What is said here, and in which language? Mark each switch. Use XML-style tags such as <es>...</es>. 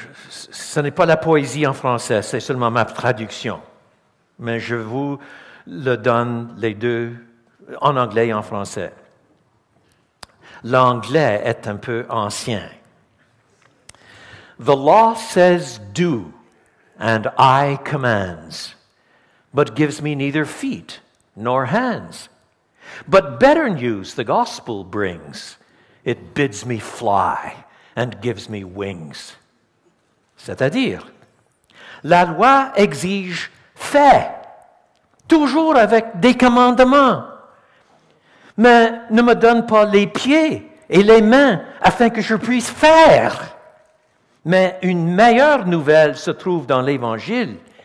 <fr>Ce n'est pas la poésie en français, c'est seulement ma traduction. Mais je vous le donne les deux en anglais et en français. L'anglais est un peu ancien.</fr> <en>The law says do, and I commands, but gives me neither feet nor hands. But better news the gospel brings. It bids me fly and gives me wings.</en> <fr>C'est-à-dire, la loi exige fait, toujours avec des commandements, mais ne me donne pas les pieds et les mains afin que je puisse faire. Mais une meilleure nouvelle se trouve dans l'Évangile.</fr>